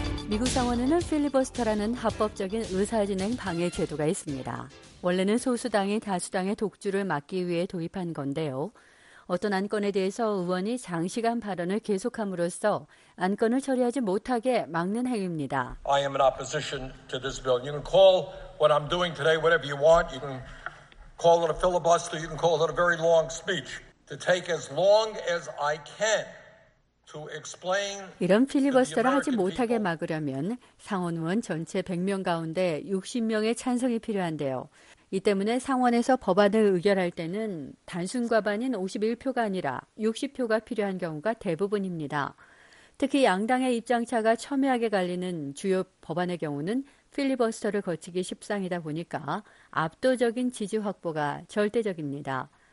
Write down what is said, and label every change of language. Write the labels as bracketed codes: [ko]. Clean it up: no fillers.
[ko] 미국 상원에는 필리버스터라는 합법적인 의사진행 방해 제도가 있습니다. 원래는 소수당이 다수당의 독주를 막기 위해 도입한 건데요. 어떤 안건에 대해서 의원이 장시간 발언을 계속함으로써 안건을 처리하지 못하게 막는 행위입니다. [en] I am in opposition to this bill. You can call what I'm doing today whatever you want. You can call it a filibuster. You can call it a very long speech. To take as long as I can to explain. [ko] 이런 필리버스터를 하지 못하게 막으려면 상원 의원 전체 100명 가운데 60명의 찬성이 필요한데요. 이 때문에 상원에서 법안을 의결할 때는 단순 과반인 51표가 아니라 60표가 필요한 경우가 대부분입니다. 특히 양당의 입장차가 첨예하게 갈리는 주요 법안의 경우는 필리버스터를 거치기 십상이다 보니까 압도적인 지지 확보가 절대적입니다.